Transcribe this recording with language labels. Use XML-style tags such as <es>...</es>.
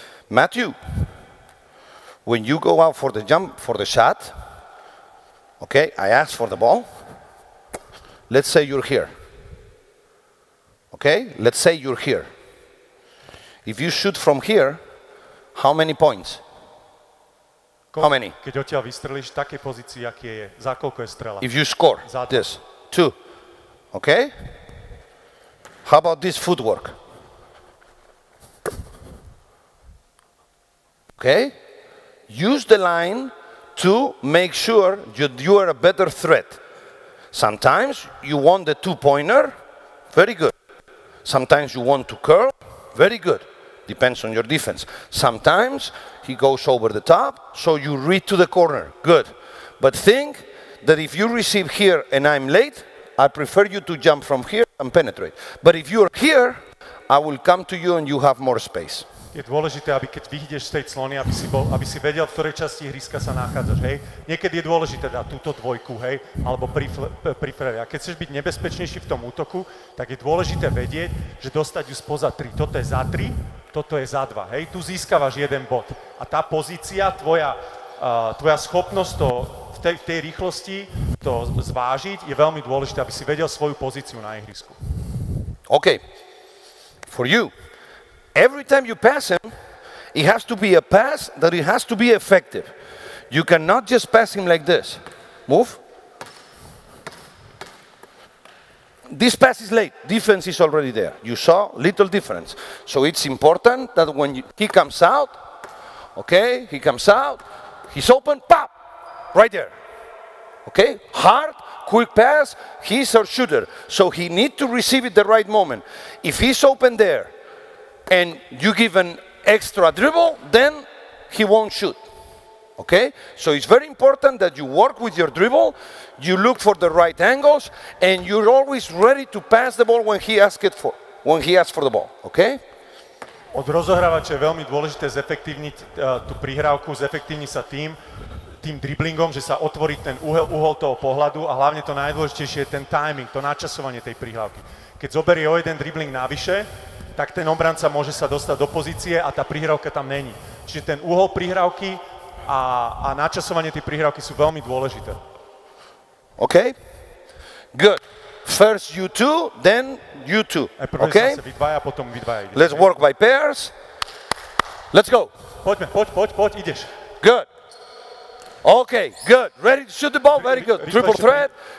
<en>Matthew, when you go out for the jump, for the shot, okay, I ask for the ball. Let's say you're here, okay? Let's say you're here. If you shoot from here, how many points? How many?</en> <sk>Keď odtiaľ vystrelíš v takej pozícii, aký je, za koľko je strela?</sk> <en>If you score, this, two, okay? How about this footwork? Okay? Use the line to make sure that you are a better threat. Sometimes you want the two-pointer, very good. Sometimes you want to curl, very good. Depends on your defense. Sometimes he goes over the top, so you read to the corner, good. But think that if you receive here and I'm late, I prefer you to jump from here and penetrate. But if you're here, I will come to you and you have more space.</en> <sk>Je dôležité, aby keď vyjdeš z tej clony, aby si vedel, v ktorej časti ihriska sa nachádzaš, hej? Niekedy je dôležité dať túto dvojku, hej? Alebo priferia. Keď chceš byť nebezpečnejší v tom útoku, tak je dôležité vedieť, že dostať ju spoza 3. Toto je za 3, toto je za 2, hej? Tu získavaš jeden bod. A tá pozícia, tvoja schopnosť to v tej rýchlosti to zvážiť, je veľmi dôležité, aby si vedel svoju pozíciu na ihrisku.</sk> <en>OK. For you. Every time you pass him, it has to be a pass that it has to be effective. You cannot just pass him like this. Move. This pass is late. Defense is already there. You saw little difference. So it's important that when he comes out, okay, he comes out, he's open, pop, right there. Okay, hard, quick pass, he's our shooter. So he need to receive it the right moment. If he's open there, and you give an extra dribble, then he won't shoot, okay? So it's very important that you work with your dribble, you look for the right angles, and you're always ready to pass the ball when he asks for the ball, okay?</en> <sk>Od rozohrávača je veľmi dôležité zefektívniť tú prihrávku, zefektívniť sa tým driblingom, že sa otvorí ten uhol toho pohľadu a hlavne to najdôležitejšie je ten timing, to načasovanie tej prihrávky. Keď zoberie o jeden dribling navyše, tak ten obranca môže sa dostať do pozície a tá prihrávka tam není. Čiže ten úhol prihrávky a načasovanie tej prihrávky sú veľmi dôležité.</sk> <en>OK. Good. First you two, then you two. OK?</en> <sk>Vydvaja, potom vydvaja.</sk> <en>Let's work by pairs. Let's go.</en> <sk>Poďme, poď, ideš.</sk> <en>Good. OK, good. Ready to shoot the ball? Very good. Triple threat.</en>